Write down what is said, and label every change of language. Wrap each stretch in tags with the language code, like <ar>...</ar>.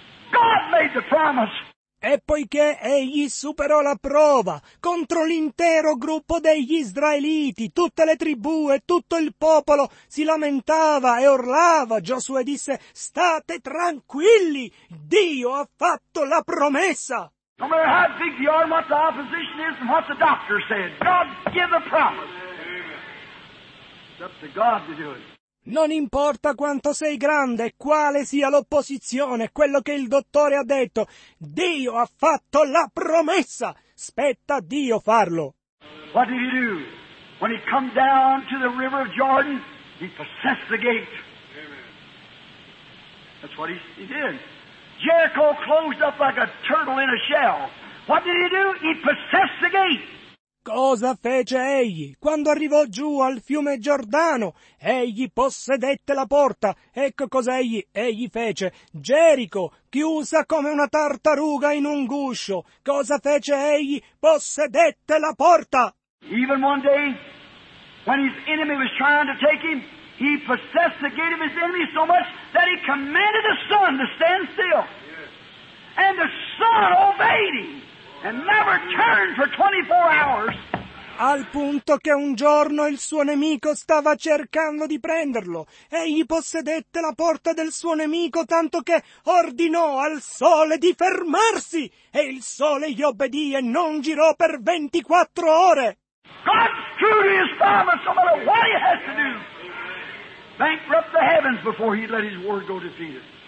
<en>God made the promise.</en> <it>E poiché egli superò la prova contro l'intero gruppo degli israeliti, tutte le tribù e tutto il popolo si lamentava e urlava, Giosuè disse, state tranquilli, Dio ha fatto la promessa.</it> <en>No matter how big the army, what the opposition is and what the doctor said, God give the promise. Amen. It's up to God to do it.</en> <it>Non importa quanto sei grande, quale sia l'opposizione, quello che il dottore ha detto, Dio ha fatto la promessa. Spetta a Dio farlo.</it> <en>What did he do? When he come down to the river of Jordan, he possessed the gate. Amen. That's what he did. Jericho closed up like a turtle in a shell. What did he do? He possessed the gate.</en> <it>Cosa fece egli? Quando arrivò giù al fiume Giordano, egli possedette la porta. Ecco cosa egli fece. Gerico, chiusa come una tartaruga in un guscio. Cosa fece egli? Possedette la porta.</it> <en>Even one day, when his enemy was trying to take him, he possessed the gate of his enemy so much that he commanded the sun to stand still. And the sun obeyed him. And never turned for 24 hours.</en> <it>al punto che un giorno il suo nemico stava cercando di prenderlo. Egli possedette la porta del suo nemico, tanto che ordinò al sole di fermarsi, e il sole gli obbedì e non girò per 24 ore.</it> <en>God's true to his promise, no matter what he has to do. Bankrupt the heavens before he let his word go defeated.</en>